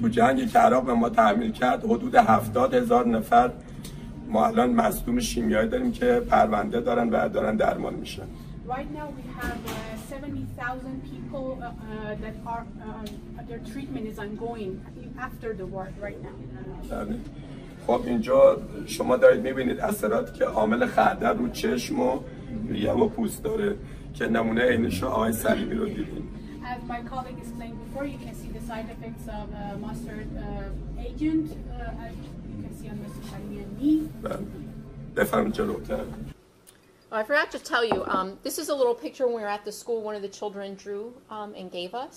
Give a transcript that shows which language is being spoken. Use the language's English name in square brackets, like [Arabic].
[Persian] تو جنگی که عراق به ما تحمیل کرد حدود 70,000 نفر ما الان مصدوم شیمیایی داریم که پرونده دارن و دارن درمان میشن. [English] Right now we have 70,000 people that are their treatment is ongoing after the war right now. [Persian] خب اینجا شما دارید میبینید اثراتی که عامل خردر رو چشم و ریه و پوست داره که نمونه عینش آقای سلیمی رو دیدین. [English] as my colleague explained before, you can see the side effects of mustard agent, as you can see on Mr. Shani and me. Oh, I forgot to tell you, this is a little picture when we were at the school one of the children drew and gave us.